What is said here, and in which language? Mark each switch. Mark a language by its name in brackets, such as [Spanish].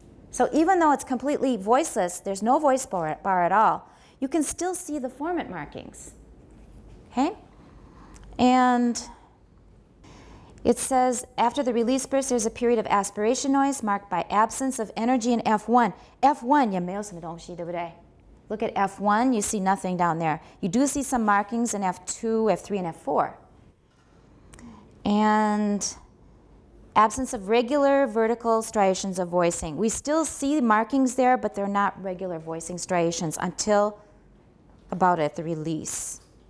[English] So even though it's completely voiceless, there's no voice bar at all, you can still see the formant markings, okay? And it says, after the release burst, there's a period of aspiration noise marked by absence of energy in F1. [Chinese] F1, 也没有什么东西, 对不对? [English] Look at F1, you see nothing down there. You do see some markings in F2, F3, and F4. And absence of regular vertical striations of voicing. We still see markings there, but they're not regular voicing striations until about at the release.